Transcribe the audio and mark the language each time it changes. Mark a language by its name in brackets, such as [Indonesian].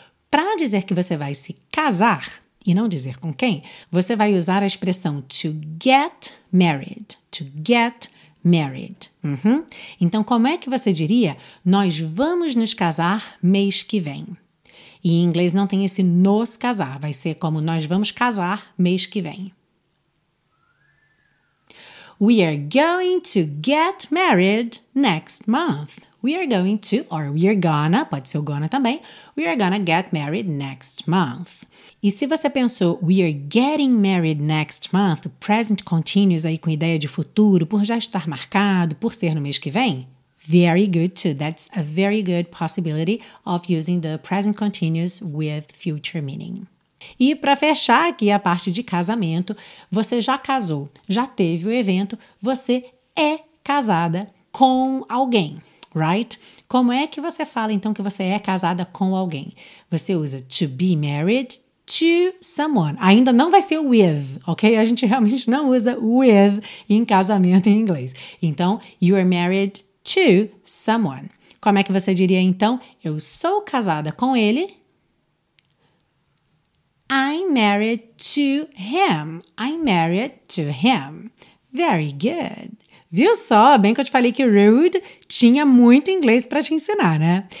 [Portuguese] Para dizer que você vai se casar e não dizer com quem, você vai usar a expressão [English] to get married. To get married. [Portuguese] Uhum. Então, como é que você diria? Nós vamos nos casar mês que vem. E em inglês não tem esse nos casar. Vai ser como nós vamos casar mês que vem. [English] We are going to get married next month. We are going to, or we are gonna, [Portuguese] pode ser o gonna também. [English] We are gonna get married next month. [Portuguese] E se você pensou, [English] we are getting married next month, [Portuguese] present continuous aí com ideia de futuro, por já estar marcado, por ser no mês que vem, [English] very good too. That's a very good possibility of using the present continuous with future meaning. [Portuguese] E para fechar aqui a parte de casamento, você já casou, já teve o evento, você é casada com alguém. right? Como é que você fala, então, que você é casada com alguém? Você usa [English] to be married to someone. [Portuguese] Ainda não vai ser with, ok? A gente realmente não usa with em casamento em inglês. [English] Então, you are married to someone. [Portuguese] Como é que você diria, então, eu sou casada com ele? [English] I'm married to him. I'm married to him. Very good. [Portuguese] Viu só? Bem que eu te falei que rude tinha muito inglês para te ensinar, né?